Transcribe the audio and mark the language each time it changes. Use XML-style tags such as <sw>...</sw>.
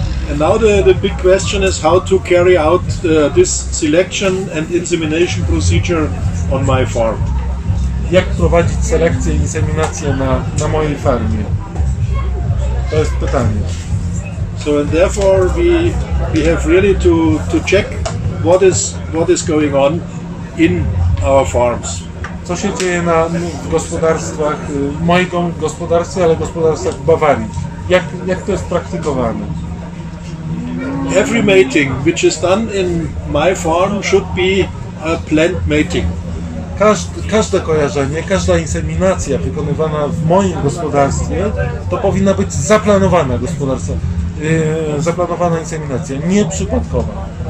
<en>And now the big question is how to carry out this selection and insemination procedure on my farm.</en> <pl>Jak prowadzić selekcję i inseminację na mojej farmie? To jest pytanie.</pl> <en>So and therefore we have really to check what is going on in our farms.</en> <pl>Co się dzieje w gospodarstwach, w moim gospodarstwie, ale w gospodarstwach w Bawarii? Jak to jest praktykowane?</pl> <en>Every mating which is done in my farm should be a planned mating.</en> <pl>Każde kojarzenie, każda inseminacja wykonywana w moim gospodarstwie to powinna być zaplanowana gospodarstwo. Zaplanowana inseminacja, nieprzypadkowa.</pl>